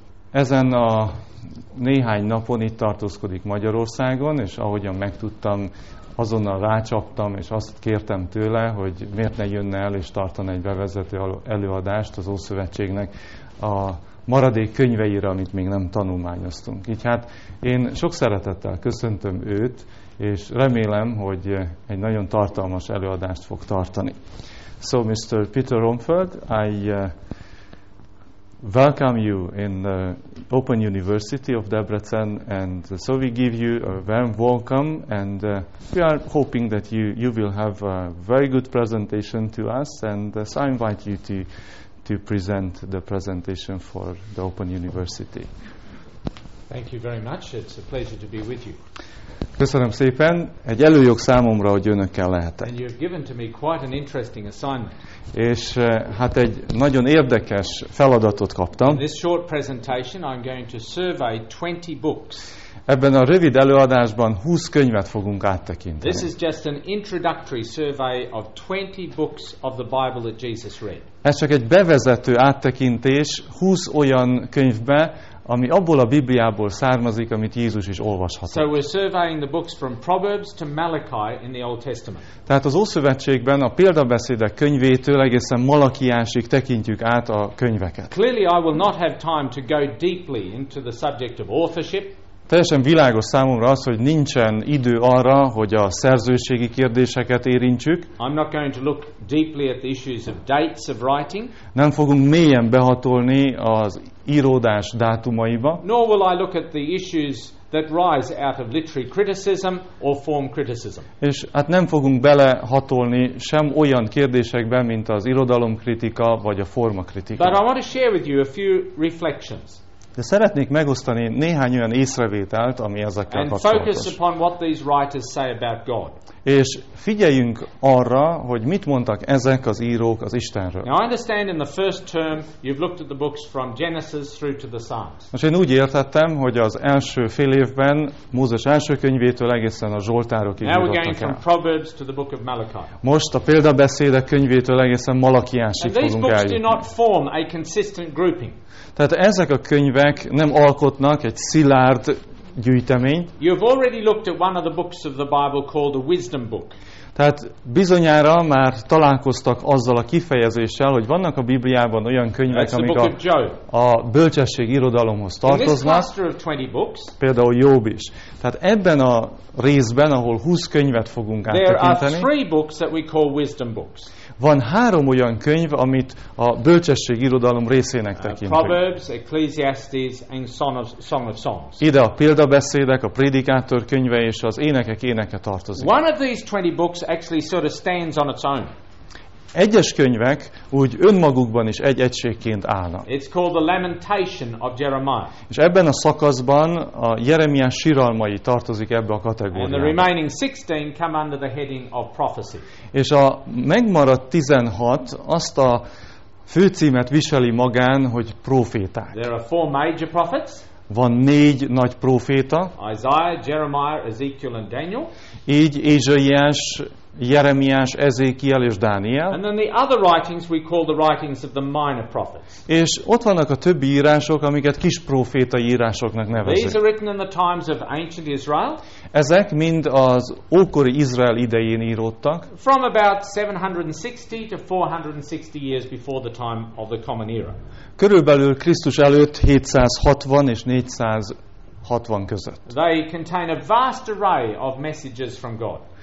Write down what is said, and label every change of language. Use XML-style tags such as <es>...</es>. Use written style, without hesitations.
<hu>Ezen a néhány napon itt tartózkodik Magyarországon, és ahogyan megtudtam, azonnal rácsaptam, és azt kértem tőle, hogy miért ne jönne el és tartana egy bevezető előadást az Ószövetségnek a maradék könyveire, amit még nem tanulmányoztunk. Így hát én sok szeretettel köszöntöm őt, és remélem, hogy egy nagyon tartalmas előadást fog tartani.</hu> <en>So, Mr. Peter Romfeld, I welcome you in the Open University of Debrecen, and so we give you a warm welcome, and we are hoping that you will have a very good presentation to us, and so I invite you to present the presentation for the Open University. Thank you very much. It's a pleasure to be with you.</en> <hu>Köszönöm szépen. Egy előjog számomra, hogy önökkel lehetek.</hu> <en>And you've given to me quite an interesting assignment.</en> <hu>És hát egy nagyon érdekes feladatot kaptam.</hu> <en>In this short presentation, I'm going to survey 20 books.</en> <hu>Ebben a rövid előadásban 20 könyvet fogunk áttekinteni.</hu> <en>This is just an introductory survey of 20 books of the Bible that Jesus read.</en> <hu>Ez csak egy bevezető áttekintés 20 olyan könyvbe, ami abból a Bibliából származik, amit Jézus is olvashatott.</hu> <en>So we're surveying the books from Proverbs to Malachi in the Old Testament.</en> <hu>Tehát az Ószövetségben a példabeszédek könyvétől egészen Malakiásig tekintjük át a könyveket.</hu> <en>Clearly I will not have time to go deeply into the subject of authorship.</en> <hu>Teljesen világos számomra az, hogy nincsen idő arra, hogy a szerzőségi kérdéseket érintsük.</hu> <en>I'm not going to look deeply at the issues of dates of writing.</en> <hu>Nem fogunk mélyen behatolni az íródás dátumaiba.</hu> <en>Nor will I look at the issues that rise out of literary criticism or form criticism.</en> <hu>És hát nem fogunk belehatolni sem olyan kérdésekbe, mint az irodalomkritika vagy a formakritika.</hu> <en>But I want to share with you a few reflections.</en> <hu>De szeretnék megosztani néhány olyan észrevételt, ami ezekkel</hu> <en>and</en> <hu>kapcsolatos.</hu> <en>Focus upon what these writers say about God.</en> <hu>És figyeljünk arra, hogy mit mondtak ezek az írók az Istenről.</hu> <en>Now I understand in the first term you've looked at the books from Genesis through to the Psalms.</en> <hu>Most én úgy értettem, hogy az első fél évben Mózes első könyvétől egészen a Zsoltárokig jutottak el.</hu> <en>Now we're going from Proverbs to the book of Malachi.</en> <hu>Most a példabeszédek könyvétől egészen Malakiásig fogunk eljutni.</hu> <en>These books do not form a consistent grouping.</en> <hu>Tehát ezek a könyvek írják, nem alkotnak egy szilárd gyűjteményt.</hu> <en>You have already looked at one of the books of the Bible called the Wisdom Book.</en> <hu>Tehát bizonyára már találkoztak azzal a kifejezéssel, hogy vannak a Bibliában olyan könyvek, amik a bölcsesség irodalomhoz tartoznak.</hu> <en>In this cluster of 20 books,</en> <hu>például Jób is. Tehát ebben a részben, ahol 20 könyvet fogunk áttekinteni,</hu> <en>there are three books that we call wisdom books.</en> <hu>Van három olyan könyv, amit a bölcsesség irodalom részének tekintünk.</hu> <en>Proverbs, Ecclesiastes and Song of Songs.</en> <hu>Ide a példabeszédek, a prédikátor könyve és az énekek éneke tartozik.</hu> <en>One of these 20 books actually sort of stands on its own.</en> <hu>Egyes könyvek úgy önmagukban is egy egységként állnak.</hu> <en>It's called the Lamentation of Jeremiah.</en> <hu>És ebben a szakaszban a Jeremiás síralmai tartozik ebbe a kategóriába.</hu> <en>And the remaining 16 come under the heading of Prophecy.</en> <hu>És a megmaradt 16 azt a főcímet viseli magán, hogy proféták.</hu> <en>There are four major prophets.</en> <hu>Van négy nagy proféta.</hu> <en>Isaiah, Jeremiah, Ezekiel and Daniel.</en> <hu>Így Ézsaiás, Jeremiás, Ezékiel és Dániel.</hu> <en>And then the other writings we call the writings of the minor prophets.</en> <hu>És ott vannak a többi írások, amiket kis proféta írásoknak nevezik.</hu> <en>These are written in the times of ancient Israel.</en> <hu>Ezek mind az ókori Izrael idején íródtak.</hu> <en>From about 760 to 460 years before the time of the common era.</en> <hu>Körülbelül Krisztus előtt 760 és 460 között.</hu> <en>They contain a vast array of messages from God.</en>